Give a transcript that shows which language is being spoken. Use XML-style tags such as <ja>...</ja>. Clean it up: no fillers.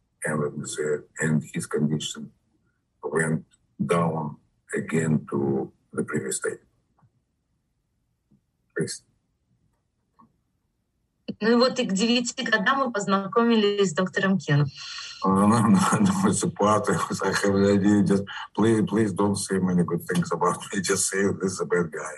<en>And let me say, and his condition went down again to the previous state. Please.</en> <ru>Ну и вот и к 9 годам мы познакомились с доктором Кеном.</ru> <en>No, it's a part. I have an idea. Just please don't say many good things about me. Just say this is a bad guy.</en>